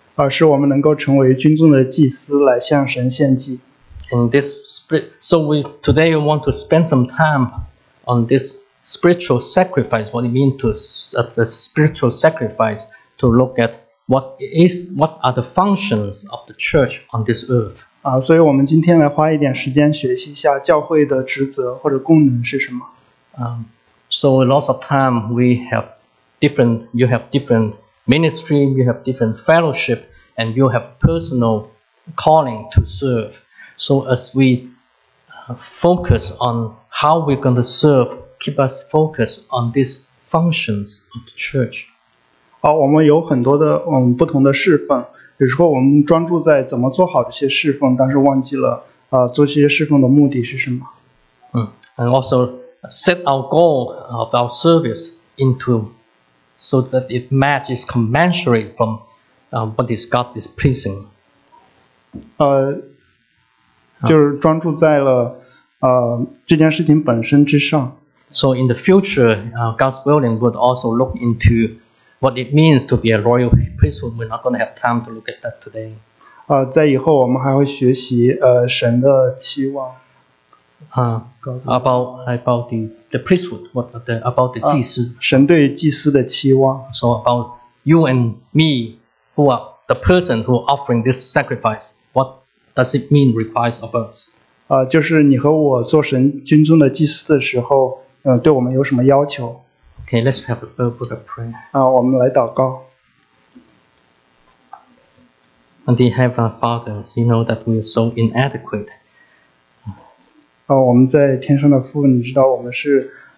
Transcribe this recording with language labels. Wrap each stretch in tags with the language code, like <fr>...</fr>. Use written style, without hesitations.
<zh>使我们能够成为君尊的祭司，来向神献祭。</zh> <en>And this today we want to spend some time on this spiritual sacrifice. What it means to the spiritual sacrifice? To look at what are the functions of the church on this earth.</en> <zh>所以我们今天来花一点时间学习一下教会的职责或者功能是什么。</zh> <en>So lots of time we have different, you have different ministry, you have different fellowship, and you have personal calling to serve. So as we focus on how we're going to serve, keep us focused on these functions of the church.</en> <zh>我们有很多的不同的侍奉，有时候我们专注在怎么做好这些侍奉，但是忘记了做这些侍奉的目的是什么。</zh> <en>And also set our goal of our service into so that it matches commensurate from what is God is pleasing.</en> <zh>就是专注在了这件事情本身之上。</zh> <en>So in the future, God's willing would also look into what it means to be a royal priesthood. We're not going to have time to look at that today.</en> <zh>在以后我们还会学习神的期望。</zh> <en>About the priesthood, about the 祭司。</en> <zh>神对祭司的期望。</zh> <en>So about you and me, who are the person who are offering this sacrifice, what does it mean requires of us?</en> <zh>就是你和我做神军中的祭司的时候，对我们有什么要求？</zh> <en>Okay, let's have a book of prayer.</en> <zh>我们来祷告。</zh> <en>And dear Heavenly Father, you know that we are so inadequate.</en> <zh>我们在天上的父，你知道我们是</zh>